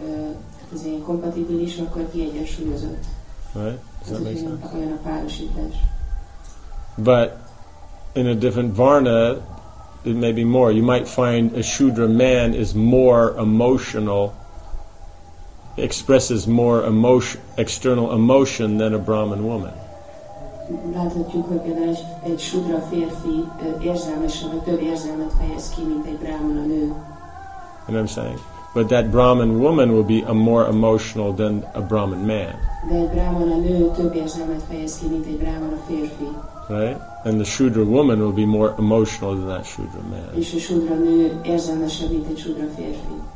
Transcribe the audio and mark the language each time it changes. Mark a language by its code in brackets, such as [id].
[en] Right? Does that make sense? But in a different varna, it may be more. You might find a Shudra man is more emotional, expresses more emotion, external emotion than a Brahmin woman. [hu] Láthatjuk, hogy például egy Shudra férfi érzelmesen, vagy több érzelmet fejez ki, mint egy Brahmana nő. [en] And I'm saying, but that Brahmin woman will be a more emotional than a Brahmin man. [hu] De egy Brahmana nő több érzelmet fejez ki, mint egy Brahmana férfi. [en] Right? And the Shudra woman will be more emotional than that Shudra man. [hu] És a Shudra nő érzelmesebb, mint egy Shudra férfi.